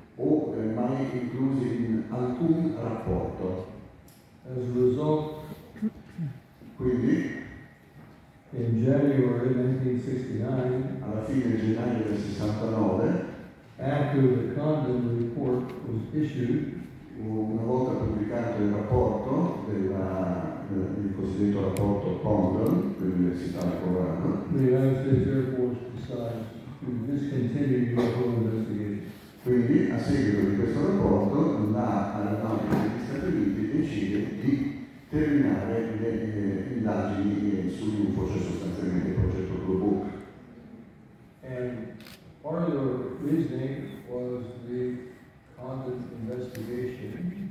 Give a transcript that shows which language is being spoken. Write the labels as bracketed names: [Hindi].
[Italian] O mai inclusi in alcun rapporto. [English] As a result, [Italian] quindi, [English] in January 1969, [Italian] alla fine gennaio del 69, [English] after the Condon report was issued, [Italian] una volta pubblicato il rapporto del cosiddetto rapporto Condon dell'Università di Colorado, [English] the United States Air Force decided to discontinue the UFO investigation. [Italian] Quindi, a seguito di questo rapporto, l'Aeronautica degli Stati Uniti decide di terminare le indagini sugli UFO, cioè sostanzialmente il progetto Blue Book. [English] And part of the reasoning was the Condon investigation.